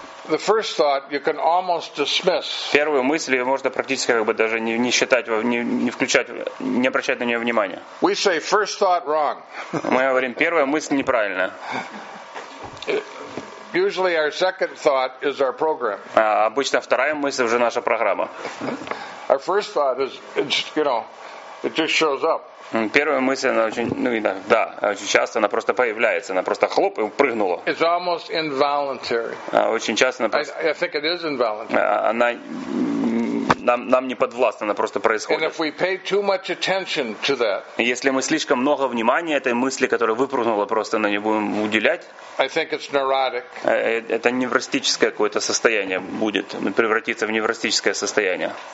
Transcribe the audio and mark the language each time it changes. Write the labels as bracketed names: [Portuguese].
[English] The first thought you can almost dismiss. [Russian] Первую мысль ее можно практически как бы даже не считать, не включать, не обращать на нее внимания. [English] We say first thought wrong. [Russian] Мы говорим, первая мысль неправильная. [English] Usually our second thought is our program. [Russian] Обычно вторая мысль уже наша программа. [English] Our first thought is, you know, it just shows up. [Russian] Первая мысль, она очень, ну, иногда, очень часто она просто появляется, она просто хлоп и прыгнула. [English] It's almost involuntary. [Russian] Очень часто она просто. [English] I think it is involuntary. [Russian] Она нам не подвластна, она просто происходит. [English] And if we pay too much attention to that, [Russian] если мы слишком много внимания этой мысли, которая выпрыгнула, просто на нее будем уделять, [English] I think it's neurotic. [Russian] Это невростическое какое-то состояние будет, превратиться в невростическое состояние.